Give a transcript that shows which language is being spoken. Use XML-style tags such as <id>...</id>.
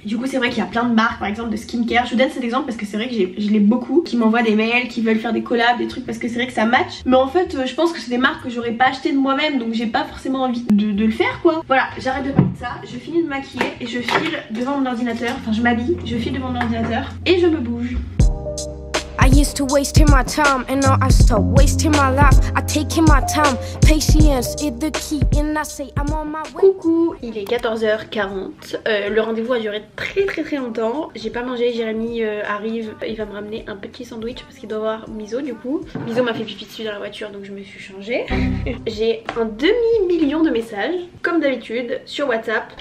<fr>Du coup c'est vrai qu'il y a plein de marques par exemple de skincare. Je vous donne cet exemple parce que c'est vrai que je l'ai beaucoup, qui m'envoient des mails, qui veulent faire des collabs, des trucs, parce que c'est vrai que ça match. Mais en fait je pense que c'est des marques que j'aurais pas acheté de moi-même, donc j'ai pas forcément envie de le faire quoi. Voilà, j'arrête de parler de ça, je finis de maquiller et je file devant mon ordinateur. Enfin je m'habille, je file devant mon ordinateur et je me bouge.</fr> <en>I used to wasting my time and now I stop wasting my life. I take my time, patience is the key and I say I'm on my way.</en> <fr>Coucou, il est 14h40. Le rendez-vous a duré très longtemps. J'ai pas mangé, Jérémy arrive, il va me ramener un petit sandwich parce qu'il doit voir Miso du coup. Miso m'a fait pipi dessus dans la voiture donc je me suis changée. J'ai un 500 000 de messages comme d'habitude sur WhatsApp.</fr>